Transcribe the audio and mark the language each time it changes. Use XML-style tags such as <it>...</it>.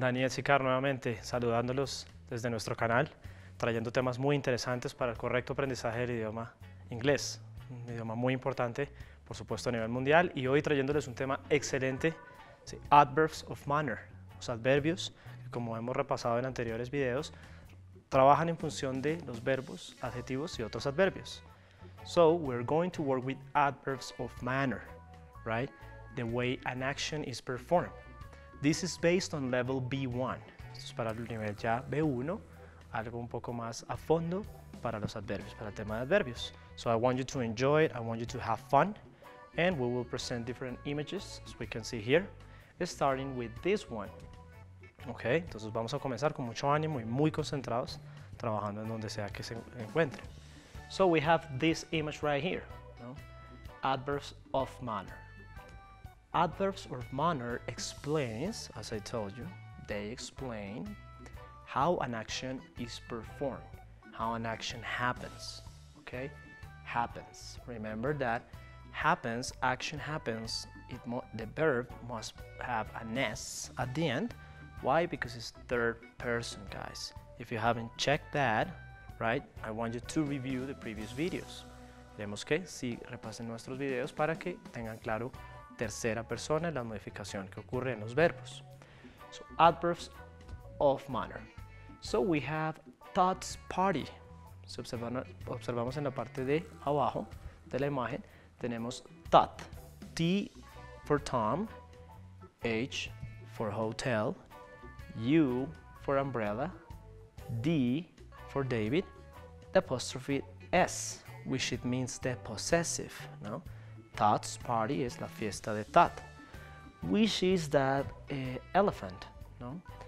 <es>Daniel Sicar nuevamente saludándolos desde nuestro canal, trayendo temas muy interesantes para el correcto aprendizaje del idioma inglés, un idioma muy importante, por supuesto, a nivel mundial. Y hoy trayéndoles un tema excelente, ¿sí? Adverbs of manner, los adverbios, que como hemos repasado en anteriores videos, trabajan en función de los verbos, adjetivos y otros adverbios.</es> <en>So, we're going to work with adverbs of manner, right? The way an action is performed. This is based on level B1.</en> <es>Esto es para el nivel ya B1, algo un poco más a fondo para los adverbios, para el tema de adverbios.</es> <en>So I want you to enjoy it, I want you to have fun, and we will present different images, as we can see here, starting with this one.</en> <es>Ok, entonces vamos a comenzar con mucho ánimo y muy concentrados, trabajando en donde sea que se encuentren.</es> <en>So we have this image right here, ¿no? Adverbs of manner. Adverbs of manner explains, as I told you, they explain how an action is performed, how an action happens, okay? Happens. Remember that happens, action happens, the verb must have an S at the end. Why? Because it's third person, guys. If you haven't checked that, right, I want you to review the previous videos.</en> <es>Queremos que si repasen nuestros videos para que tengan claro tercera persona en la modificación que ocurre en los verbos.</es> <en>So, adverbs of manner. So, we have thoughts party.</en> <es>Si observamos en la parte de abajo de la imagen, tenemos thought.</es> <en>T for Tom, H for hotel, U for umbrella, D for David, apostrophe S, which it means the possessive, no?</en> <es>Thoughts party es la fiesta de Thought.</es> <en>Which is that elephant,</en> <es>no?</es>